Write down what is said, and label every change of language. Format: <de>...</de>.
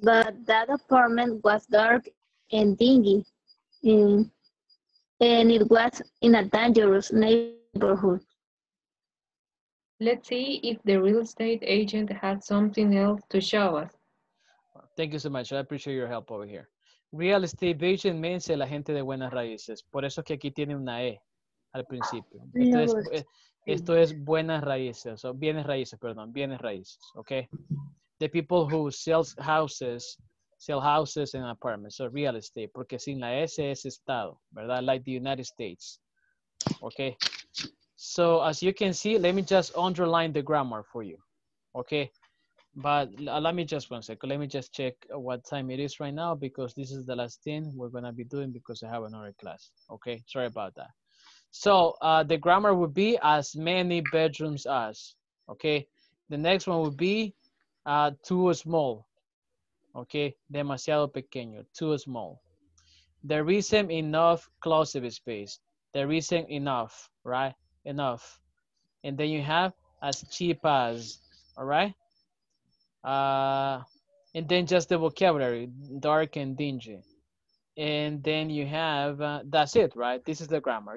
<en>But that apartment was dark and dingy. And it was in a dangerous neighborhood. Let's see if the real estate agent had something else to show us. Thank you so much. I appreciate your help over here. Real estate agent means</en> <es>la gente de buenas raíces. Por eso que aquí tiene una E al principio. Esto es buenas raíces. Bienes raíces. Okay.</es> <en>The people who sell houses and apartments, so real estate,</en> <es>porque sin la S es estado, ¿verdad?</es> <en>Like the United States, okay? So as you can see, let me just underline the grammar for you, okay? But let me just one second, let me just check what time it is right now, because this is the last thing we're gonna be doing because I have another class, okay? Sorry about that. So the grammar would be as many bedrooms as, okay? The next one would be too small. Okay,</en> <es>demasiado pequeño,</es> <en>too small. There isn't enough closet space. There isn't enough, right? Enough. And then you have as cheap as, all right? And then just the vocabulary, dark and dingy. And then you have, that's it, right? This is the grammar.</en>